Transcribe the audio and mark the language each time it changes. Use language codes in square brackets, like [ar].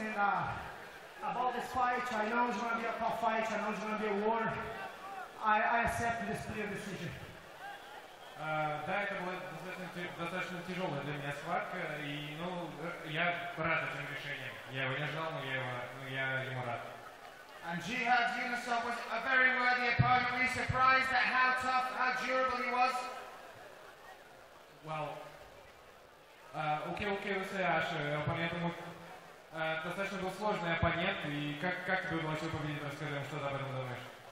[en] And about this fight, I know it's going to be a tough fight. I know it's going to be a war. I accept this clear decision. [ru] Да, это была достаточно тяжелая для меня схватка, и ну, я рад этим решением. Я его не ждал, но я ему рад. [en] And Jihad Yunusov was a very worthy opponent. Were you surprised at how tough, how durable he was? Well, okay, [ru] все, Аша, оппонент ему достаточно был сложный оппонент, и как тебе удалось его победить? Расскажи нам, что ты об этом думаешь?